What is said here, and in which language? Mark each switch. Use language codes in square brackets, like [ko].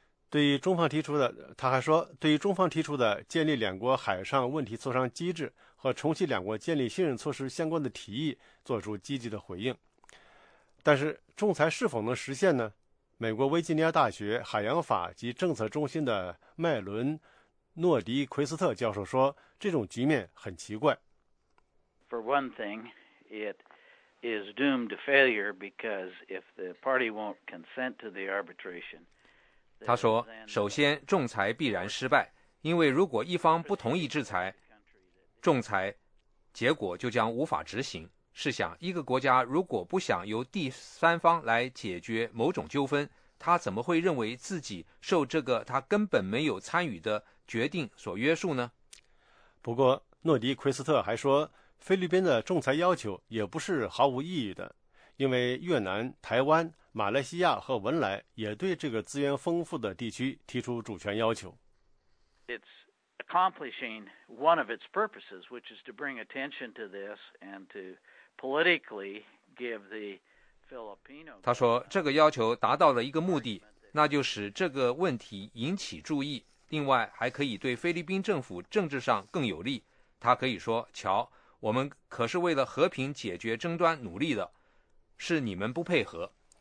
[zh] 对于中方提出的，他还说，对于中方提出的建立两国海上问题磋商机制和重启两国建立信任措施相关的提议做出积极的回应。但是仲裁是否能实现呢？美国维吉尼亚大学海洋法及政策中心的麦伦·诺迪·奎斯特教授说，这种局面很奇怪。 [en] For one thing, it is doomed to failure because if the party won't consent to the arbitration... [zh] 他说，首先仲裁必然失败，因为如果一方不同意制裁，仲裁结果就将无法执行。试想，一个国家如果不想由第三方来解决某种纠纷，他怎么会认为自己受这个他根本没有参与的决定所约束呢？不过诺迪·奎斯特还说，菲律宾的仲裁要求也不是毫无意义的，因为越南、台湾、马来西亚和文莱也对这个资源丰富的地区提出主权要求。 [en] It's accomplishing one of its purposes, which is to bring attention to this and to politically give the Filipino. [zh] 他说，这个要求达到了一个目的，那就使这个问题引起注意，另外还可以对菲律宾政府政治上更有利。他可以说，瞧，我们可是为了和平解决争端努力的，是你们不配合。